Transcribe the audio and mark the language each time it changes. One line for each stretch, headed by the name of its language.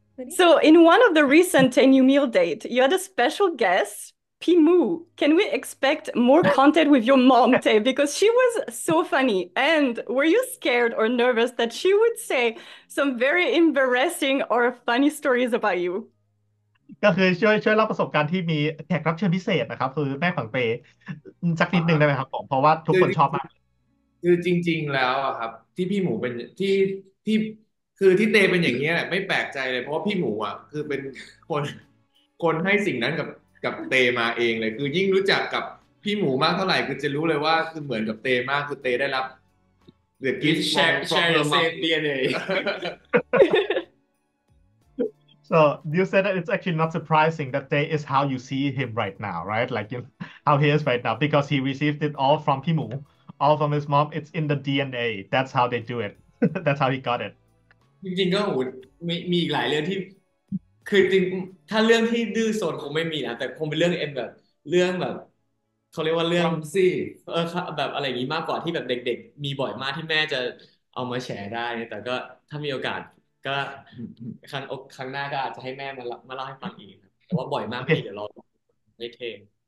English: So in one of the recent TayNew meal date, you had a special guest, Pimu. Can we expect more content with your mom, Tay? Because she was so funny. And were you scared or nervous that she would say some very embarrassing or funny stories about you?
Thai: ก็คือช่วยเล่าประสบการณ์ที่มีแขกรับเชิญพิเศษนะครับคือแม่ของเปสักนิดนึงได้ไหมครับผมเพราะว่าทุกคนชอบมาก คือจริงๆแล้วอะครับที่พี่หมูเป็นที่คือที่เตเป็นอย่างเงี้ยไม่แปลกใจเลยเพราะพี่หมูอะคือเป็นคนให้สิ่งนั้นกับเตมาเองเลยคือยิ่งรู้จักกับพี่หมูมากเท่าไหร่คือจะรู้เลยว่าคือเหมือนกับเตมากคือเตได้รับ
English: the gift from DNA So you said that it's actually not surprising that Tay is how you see him right now, right? Like you know, how he is right now, because he received it all from Pimu, all from his mom. It's in the DNA. That's how they do it. That's how he got it.
Thai: จริงๆก็มีอีกหลายเรื่องที่คือจริงถ้าเรื่องที่ดื้อสนคงไม่มีนะแต่คงเป็นเรื่องเอ็มแบบเรื่องแบบเขาเรียกว่าเรื่อง ซี่แบบอะไรงี้มากกว่าที่แบบเด็กๆมีบ่อยมากที่แม่จะเอามาแชร์ได้แต่ก็ถ้ามีโอกาสก็ครั้งหน้าก็อาจจะให้แม่มาเล่าให้ฟังอีกครับเพราะว่าบ่อยมากเลยเดี๋ยวรอไม่เทม